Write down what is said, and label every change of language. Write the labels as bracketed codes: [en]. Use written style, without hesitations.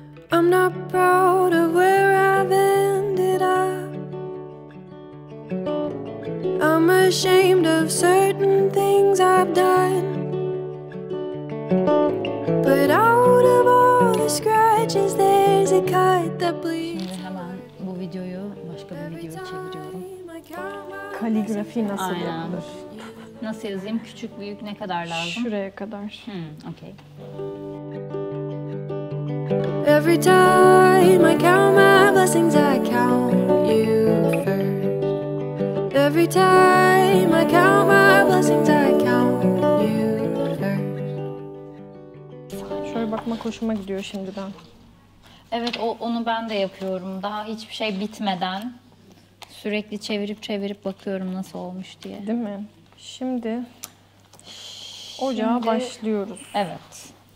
[en] I'm not proud of where I've ended up. I'm ashamed of certain things I've done. But out of all the scratches, there's a cut that bleeds. [tr] Şimdi hemen bu videoyu başka bir videoya çeviriyorum. kaligrafi nasıl aynen yapılır? Nasıl yazayım? Küçük, büyük ne kadar lazım? Şuraya kadar. [en] Hmm, okay. Every time I count my blessings, I count you first. Every time I count my blessings, I count you first. [tr] Şöyle bakmak hoşuma gidiyor şimdiden. Evet, onu ben de yapıyorum. Daha hiçbir şey bitmeden sürekli çevirip çevirip bakıyorum nasıl olmuş diye. Değil mi? Şimdi ocağa başlıyoruz. Evet.